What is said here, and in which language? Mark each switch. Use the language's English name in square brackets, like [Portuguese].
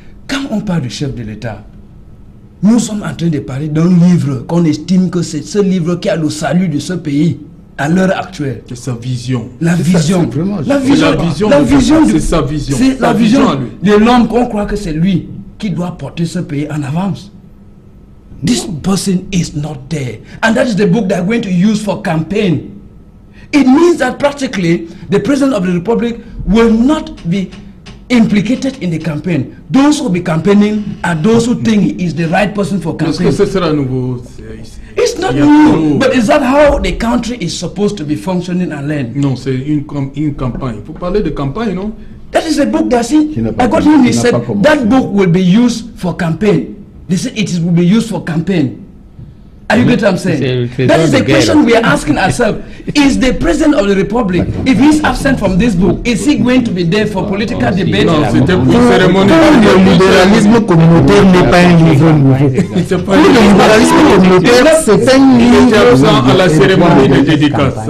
[French] Quand on parle du chef de l'État, nous sommes en train de parler d'un livre qu'on estime que c'est ce livre qui a le salut de ce pays à l'heure actuelle. C'est sa vision. La vision. C'est la vision de l'homme qu'on croit que c'est lui qui doit porter ce pays en avance. [English] This person is not there. And that is the book they are going to use for campaign. It means that practically the President of the Republic will not be implicated in the campaign. Those who will be campaigning are those who think he is the right person for campaign. [French] Est-ce que ce sera nouveau? [English] It's not new, but is that how the country is supposed to be functioning and learn? [French] Non, c'est une campagne. Faut parler de campagne, non? [English] That is a book that he said that book will be used for campaign. They said it will be used for campaign. Are you getting what I'm saying? That is the question we are asking ourselves. Is the President of the Republic, if he's absent from this book, is he going to be there for political debate? [French] Non, c'était pour cérémonie. Le libéralisme communautaire n'est pas un livre nouveau. Le libéralisme communautaire, c'est un livre. Il était absent à la cérémonie de dédicace.